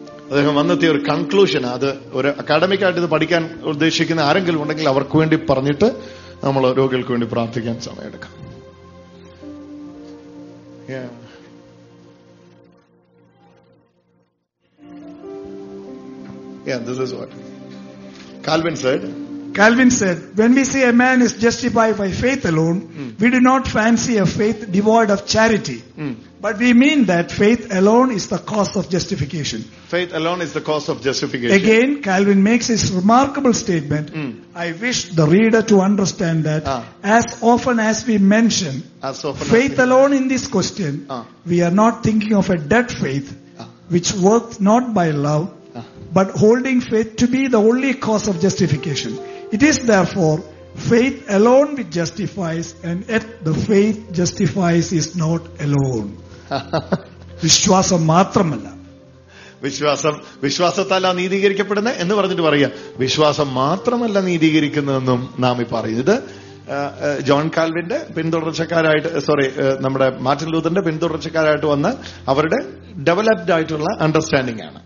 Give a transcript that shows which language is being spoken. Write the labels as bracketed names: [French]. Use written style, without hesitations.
[Malayalam] അദ്ദേഹം വന്നെത്തിയ ഒരു കൺക്ലൂഷൻ, അത് ഒരു അക്കാഡമിക് ആയിട്ട് ഇത് പഠിക്കാൻ ഉദ്ദേശിക്കുന്ന ആരെങ്കിലും ഉണ്ടെങ്കിൽ അവർക്ക് വേണ്ടി പറഞ്ഞിട്ട് നമ്മൾ രോഗികൾക്ക് വേണ്ടി പ്രാർത്ഥിക്കാൻ സമയമെടുക്കാം. [English] Calvin said, when we see a man is justified by faith alone, we do not fancy a faith devoid of charity. But we mean that faith alone is the cause of justification. Faith alone is the cause of justification. Again, Calvin makes this remarkable statement. Mm. I wish the reader to understand that as often as we mention faith alone in this question, we are not thinking of a dead faith which works not by love, but holding faith to be the only cause of justification. It is therefore faith alone which justifies, and yet the faith justifies is not alone. [Malayalam] Vishwasam matramalla. വിശ്വാസത്താൽ ആ നീതീകരിക്കപ്പെടുന്ന എന്ന് പറഞ്ഞിട്ട് പറയുക, വിശ്വാസം മാത്രമല്ല നീതീകരിക്കുന്നതെന്നും നാം ഈ പറയുന്നത് ജോൺ കാൽവിന്റെ പിന്തുടർച്ചക്കാരായിട്ട് നമ്മുടെ മാർട്ടിൻ ലൂതറിന്റെ പിന്തുടർച്ചക്കാരായിട്ട് വന്ന അവരുടെ ഡെവലപ്ഡ് ആയിട്ടുള്ള അണ്ടർസ്റ്റാൻഡിംഗ് ആണ്.